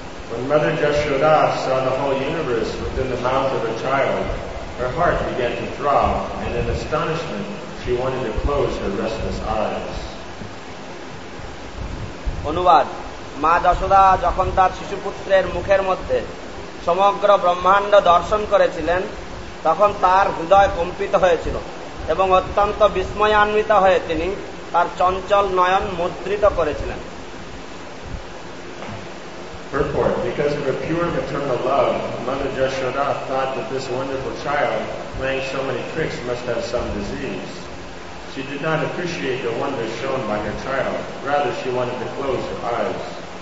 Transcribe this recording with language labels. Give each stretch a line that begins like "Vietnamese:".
English: When Mother Jashoda saw the whole universe within the mouth of a child, her heart began to throb, and in astonishment, she wanted to close her restless eyes.
Bangla: অনুবাদ মা যশোদা যখন তার শিশুপুত্রের মুখের মধ্যে সমগ্র ব্রহ্মাণ্ড দর্শন করেছিলেন তখন তার হৃদয় কম্পিত হয়েছিল এবং অত্যন্ত বিস্ময়ান্বিত হয়ে তিনি তার চঞ্চল নয়ন মুদ্রিত করেছিলেন
English: Purport, because of her pure maternal love, Mother Jashoda thought that this wonderful child, playing so many tricks, must have some disease. She did not appreciate the wonder shown by her child. Rather, she wanted to close her eyes.